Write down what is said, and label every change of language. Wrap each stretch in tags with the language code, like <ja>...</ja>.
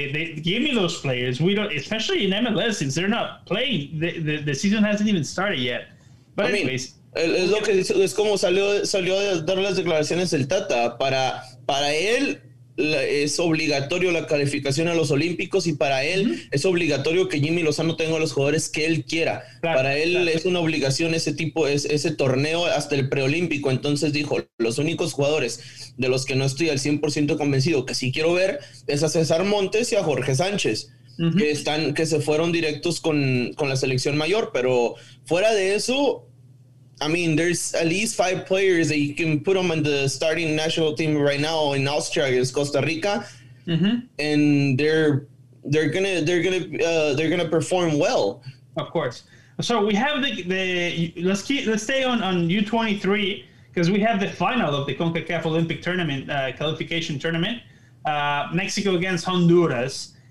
<en>They give me those players. We don't, especially in MLS, since they're not playing. The season hasn't even started yet. But anyways,</en> <es>es lo que es como salió a dar las declaraciones el Tata para él. Es obligatorio la calificación a los Olímpicos y para él es obligatorio que Jimmy Lozano tenga los jugadores que él quiera. Claro, para él es una obligación ese tipo, ese torneo hasta el preolímpico. Entonces dijo, los únicos jugadores de los que no estoy al 100% convencido que sí quiero ver es a César Montes y a Jorge Sánchez, que se fueron directos con la selección mayor. Pero fuera de eso,</es> <en>I mean, there's at least 5 players that you can put them on the starting national team right now in Austria against Costa Rica, and they're gonna perform well. Of course. So we have let's stay on U23 because we have the final of the CONCACAF Olympic Tournament qualification tournament, Mexico against Honduras.</en>